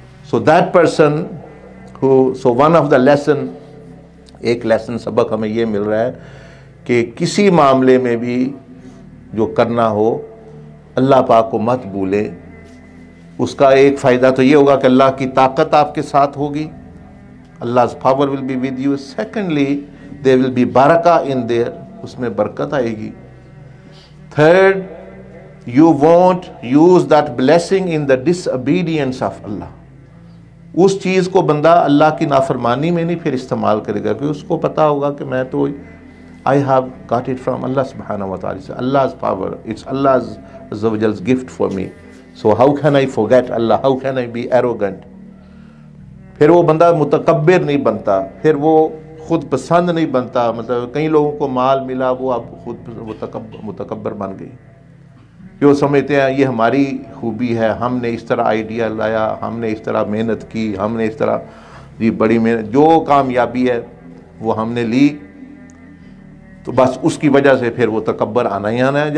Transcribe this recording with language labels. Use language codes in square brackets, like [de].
[en] so that person who, so one of the lesson, [ur] ایک lesson سبق ہمیں یہ مل رہا ہے کہ کسی معاملے میں بھی جو کرنا ہو اللہ پاک کو مت بھولیں. اس کا ایک فائدہ تو یہ ہوگا کہ اللہ کی طاقت آپ کے ساتھ ہوگی, [en] اللہ's power will be with you. Secondly, there will be barakah in there, [ur] اس میں برکت آئے گی. [en] Third, you won't use that blessing in the disobedience of Allah. [ur] اس چیز کو بندہ اللہ کی نافرمانی میں نہیں پھر استعمال کرے گا, کہ اس کو پتا ہوگا کہ میں تو [en] I have got it from Allah subhanahu wa ta'ala. Allah's power, it's Allah's azza wa jal's gift for me. So how can I forget Allah? How can I be arrogant? [ur] پھر وہ بندہ متکبر نہیں بنتا, پھر وہ خود پسند نہیں بنتا. مطلب کئی لوگوں کو مال ملا, وہ اب خود متکبر بن گئی, کہ وہ سمجھتے ہیں یہ ہماری خوبی ہے, ہم نے اس طرح آئیڈیا لایا, ہم نے اس طرح محنت کی, ہم نے اس طرح جی بڑی محنت, جو کامیابی ہے وہ ہم نے لی, تو بس اس کی وجہ سے پھر وہ تکبر آنا ہی آنا ہے.